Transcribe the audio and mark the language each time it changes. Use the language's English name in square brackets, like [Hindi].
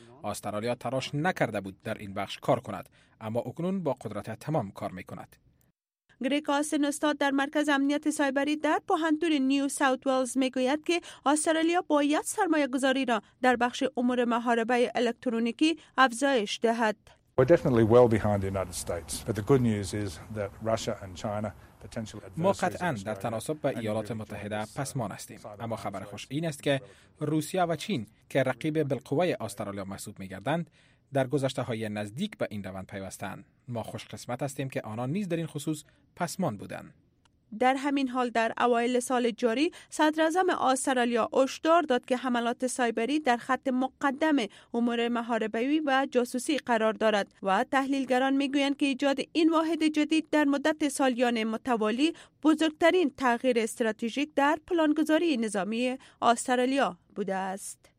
[Persian] استرالیا تلاش نکرده بود در این بخش کار کند، اما اکنون با قدرت تمام کار می کند. گریک آسن، استاد در مرکز امنیت سایبری در پوهنتون نیو ساوت ویلز، می گوید که استرالیا باید سرمایه گذاری را در بخش امور محاربه الکترونیکی افزایش دهد. [English] We're definitely well behind the United States, but the good news is that Russia and China potential adversaries. [Persian] ما قطعا در تناسب با ایالات متحده پسمان هستیم، اما خبر خوش این است که روسیه و چین که رقیب بالقوه استرالیا محسوب می‌گردند در گذشته های نزدیک به این روند پیوستند. ما خوش قسمت هستیم که آنان نیز در این خصوص پسمان بودند. در همین حال در اوایل سال جاری صدر اعظم استرالیا هشدار داد که حملات سایبری در خط مقدم امور محاربوی و جاسوسی قرار دارد و تحلیلگران میگویند که ایجاد این واحد جدید در مدت سالیان متوالی بزرگترین تغییر استراتژیک در پلانگذاری نظامی استرالیا بوده است.